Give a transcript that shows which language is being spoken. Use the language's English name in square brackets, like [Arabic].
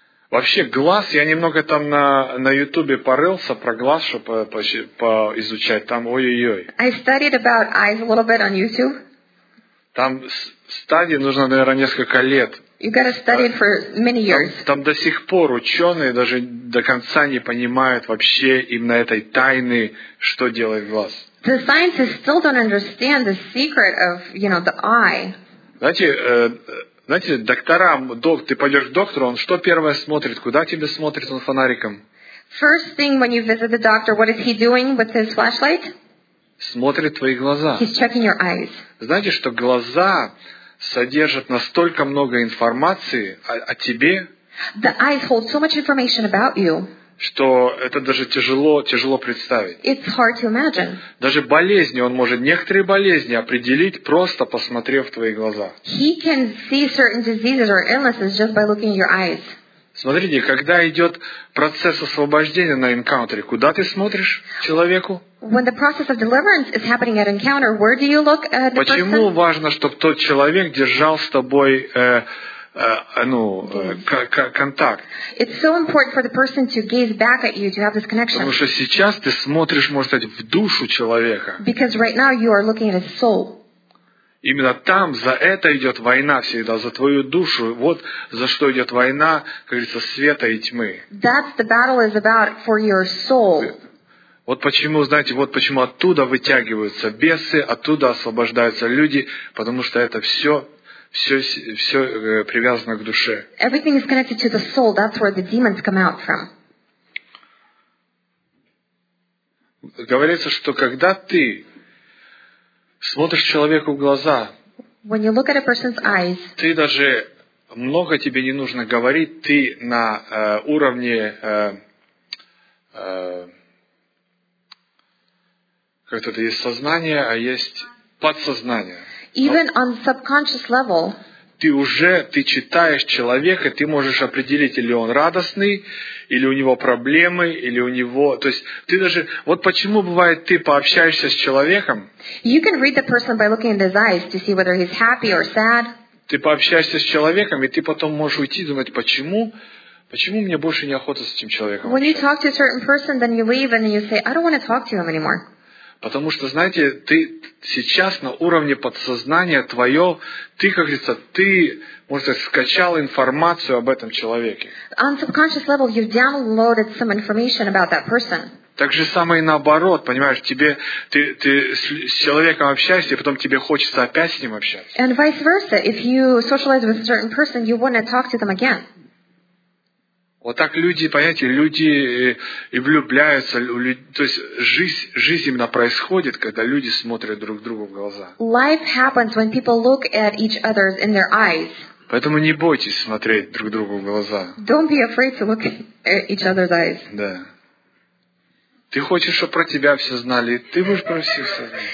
[Russian] Вообще, глаз, я немного там на Ютубе порылся про глаз, чтобы поизучать. Там ой-ой-ой. [English] I studied about eyes a little bit on YouTube. [Russian] Там стадии нужно, наверное, несколько лет. [English] You gotta study it for many years. [Russian] Там до сих пор ученые даже до конца не понимают вообще именно этой тайны, что делает глаз. [English] The scientists still don't understand the secret of, you know, the eye. [Russian] Знаете, доктора, ты пойдешь к доктору, он что первое смотрит? Куда тебе смотрит он фонариком? [English] First thing when you visit the doctor, what is he doing with his flashlight? [Russian] Смотрит твои глаза. [English] He's checking your eyes. [Russian] Знаете, что глаза содержат настолько много информации о тебе? [English] The eyes hold so much information about you. [Russian] Что это даже тяжело представить. [English] It's hard to imagine. [Russian] Даже болезни, он может некоторые болезни определить, просто посмотрев в твои глаза. [English] He can see certain diseases or illnesses just by looking in your eyes. [Russian] Смотрите, когда идет процесс освобождения на энкаунтере, куда ты смотришь человеку? [English] When the process of deliverance is happening at encounter, where do you look at the [Russian] Почему [English] person? [Russian] Важно, чтобы тот человек держал с тобой... контакт. [English] It's so important for the person to gaze back at you to have this connection. [Russian] Потому что сейчас ты смотришь, может быть, в душу человека. [English] Because right now you are looking at his soul. [Russian] Именно там за это идет война всегда, за твою душу. Вот за что идет война, как говорится, света и тьмы. [English] That's the battle is about for your soul. [Russian] Вот почему, знаете, вот почему оттуда вытягиваются бесы, оттуда освобождаются люди, потому что это все. Все привязано к душе. [English] Everything is connected to the soul. That's where the demons come out from. [Russian] Говорится, что когда ты смотришь человеку в глаза, [English] When you look at a person's eyes, [Russian] ты даже много тебе не нужно говорить, ты на уровне как-то это есть сознание, а есть подсознание. [English] Even on subconscious level, [Russian] ты читаешь человека, ты можешь определить, или он радостный, или у него проблемы, или у него... То есть, ты даже... Вот почему бывает, ты пообщаешься с человеком, [English] you can read the person by looking at his eyes to see whether he's happy or sad. [Russian] Ты пообщаешься с человеком, и ты потом можешь уйти и думать, почему мне больше неохота с этим человеком [English] When you talk to a certain person, then you leave and you say, I don't want to talk to him anymore. [Russian] Потому что, знаете, ты сейчас на уровне подсознания твое, ты, как говорится, ты, может быть, скачал информацию об этом человеке. [English] On subconscious level, you've downloaded some information about that person. [Russian] Так же самое и наоборот, понимаешь, ты с человеком общаешься, и потом тебе хочется опять с ним общаться. [English] And vice versa, if you socialize with a certain person, you want to talk to them again. [Russian] Вот так люди, понимаете, люди и влюбляются, то есть жизнь именно происходит, когда люди смотрят друг другу в глаза. [English] Life happens when people look at each other in their eyes. [Russian] Поэтому не бойтесь смотреть друг другу в глаза. [English] Don't be afraid to look at each other's eyes. [Russian] Да. Ты хочешь, чтобы про тебя все знали, ты будешь про всех все знать.